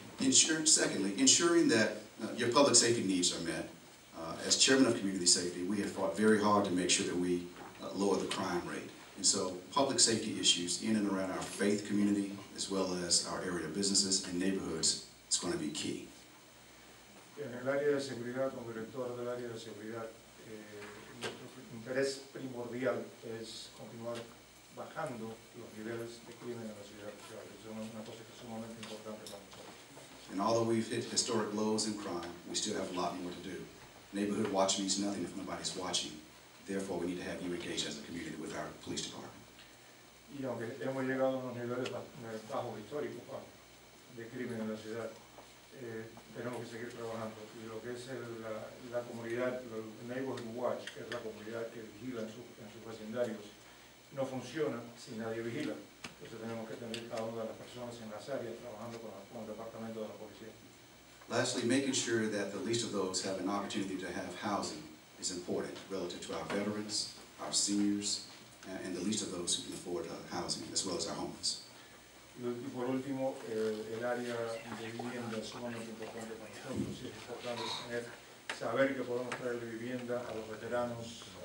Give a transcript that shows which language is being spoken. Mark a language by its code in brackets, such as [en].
[en] Secondly, ensuring that your public safety needs are met. As chairman of community safety, we have fought very hard to make sure that we lower the crime rate. And so public safety issues in and around our faith community, as well as our area businesses and neighborhoods, is going to be key. [es] En el área de seguridad, como director del área de seguridad, nuestro interés primordial es continuar bajando los niveles de crimen en la ciudad. Es una cosa que es sumamente importante para nosotros. [en] And although we've hit historic lows in crime, we still have a lot more to do. Neighborhood watch means nothing if nobody's watching. Therefore, we need to have you engaged as a community with our police department. [es] Y aunque hemos llegado a unos niveles bajos históricos de crimen en la ciudad, tenemos que seguir trabajando. Y lo que es la comunidad, el neighborhood watch, que es la comunidad que vigila en sus vecindarios, no funciona si nadie vigila. Entonces tenemos que tener cada una de las personas en las áreas trabajando con el departamento de la policía. [en] Lastly, making sure that the least of those have an opportunity to have housing is important relative to our veterans, our seniors, and the least of those who can afford housing, as well as our homeless. [es] Y por último, el área de vivienda es sumamente importante para nosotros. Es importante tener, saber que podemos traer vivienda a los veteranos,